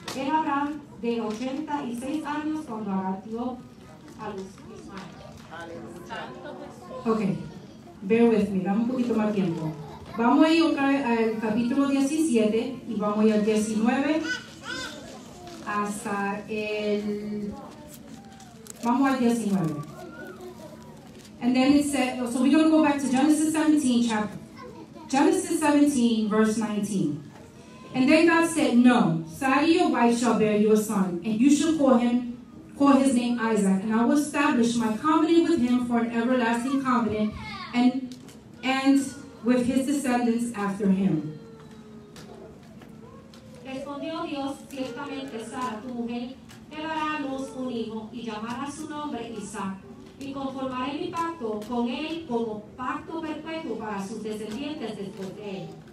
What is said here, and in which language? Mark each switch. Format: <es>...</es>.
<es>Era Abraham de 86 años cuando Agar dio a luz Ismael. Ok,</es> <en>bear with me,</en> <es>dame un poquito más tiempo. Vamos a ir otra vez al capítulo 17 y vamos a ir al 19 hasta el... Vamos al 19.</es> <en>And then it said, so we're going to go back to Genesis 17, verse 19. And then God said, no, Sarai your wife shall bear you a son, and you shall call his name Isaac, and I will establish my covenant with him for an everlasting covenant, and with his descendants after him.</en> <es>Respondió Dios, ciertamente Sara, tu mujer, te dará a luz un hijo, y llamará su nombre Isaac, y conformaré mi pacto con él como pacto perpetuo para sus descendientes después de él.</es>